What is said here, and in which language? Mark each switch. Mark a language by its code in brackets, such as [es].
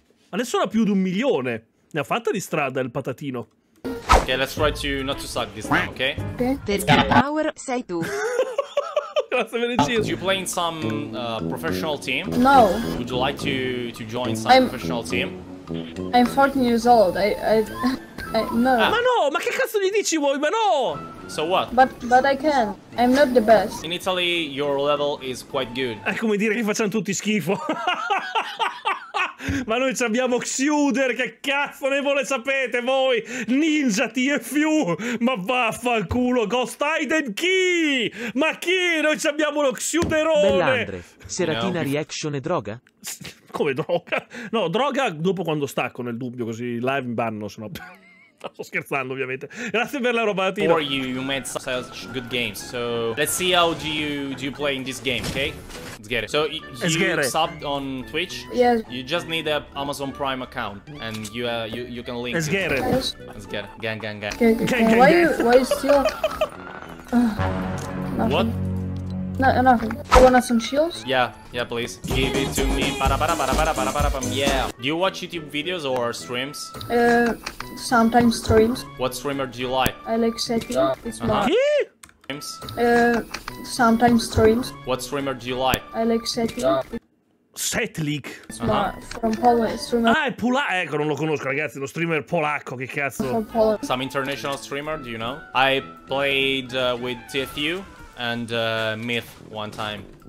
[it] Adesso ha più di 1 milione. Ne ha fatta di strada il patatino. [en] Ok, let's try to not to suck this time, ok? [it] Perché Power sei tu. Grazie per il cheers. [en] Do you play in some professional team? No. Would you like to join some professional team? I'm 14 years old, I no. Ah. [it] Ma no, ma che cazzo gli dici vuoi, ma no! [en] So what? But I can, I'm not the best. In Italy, your level is quite good. [it] È come dire che facciamo tutti schifo. Ma noi ci abbiamo Xuder, che cazzo ne vuole sapete voi? Ninja TFU, ma vaffanculo, Ghost Aiden chi? Ma chi? Noi ci abbiamo lo Xuderone! Bella Andre, Seratina reaction e droga? Come droga? No, droga dopo quando stacco nel dubbio, così live in banno, sennò... Sto scherzando ovviamente. Grazie per la roba. [en] For you made such good games. So let's see how do you play in this game, okay? Let's get it. So you subbed on Twitch. Yes. You just need a Amazon Prime account and you can link. Let's get it. Gang. Why you still? What? No. You want some shields? Yeah, please. Give it to me. Para. Yeah. Do you watch YouTube videos or streams? Sometimes streams. What streamer do you like? I like Sekiro. It's mine. Streams? Sometimes streams. What streamer do you like? I like Sekiro. Setlik, from Poland, [it] ah, è polacco, ecco, non lo conosco, ragazzi, lo streamer polacco, che cazzo. [en] From Poland. Some international streamer, do you know? I played with TFU and Myth one time.